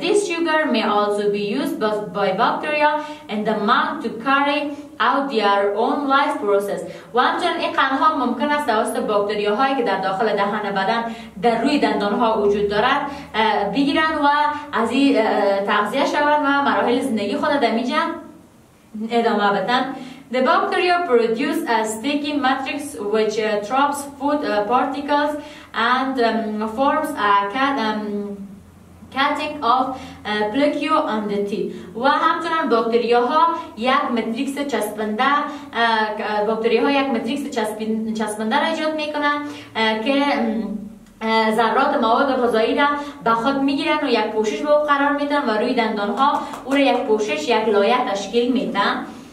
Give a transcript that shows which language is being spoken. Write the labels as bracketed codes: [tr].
[en] This sugar may also be used by bacteria in the mouth to carry out their own life process. [fa] و همچنین این قندها ممکن است توسط باکتری هایی که در داخل دهن بدن در روی دندان ها وجود دارد بگیرند و از این تغذیه شوند و مراحل زندگی خود در اینجا ادامه بدن. [en] The bacteria produce a sticky matrix which traps food particles and forms a coating of plaque on the teeth. [fa] و همچنان باکتری ها یک متریکس چسبنده را ایجاد میکنن که ذرات مواد غذایی را به خود میگیرن و یک پوشش به او قرار میدن و روی دندان ها او را یک پوشش یک لایه تشکیل میدن.